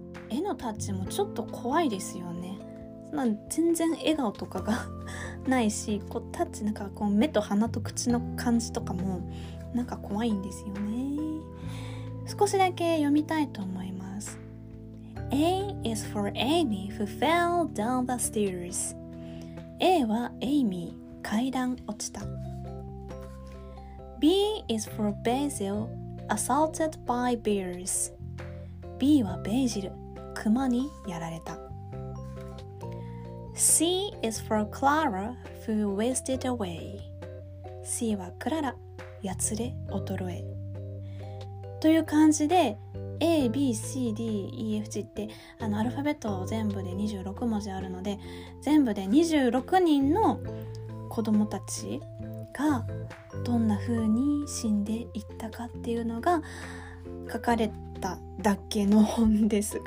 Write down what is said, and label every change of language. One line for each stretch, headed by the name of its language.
Japanese: 絵のタッチもちょっと怖いですよね。まあ、全然笑顔とかがないし、こうタッチなんかこう目と鼻と口の感じとかもなんか怖いんですよね。少しだけ読みたいと思います。
English: A is for Amy who fell down the stairs.
Japanese: A はエイミー、階段落ちた。
English: B is for Basil, assaulted by bears.
Japanese: B はベージル、クマにやられた。
English: C is for Clara, who wasted away.
Japanese: C はクララ、やつれ、衰え。という感じで、A, B, C, D, E, F, G ってあのアルファベット全部で26文字あるので、全部で26人の子供たちがどんな風に死んでいったかっていうのが書かれただけの本です。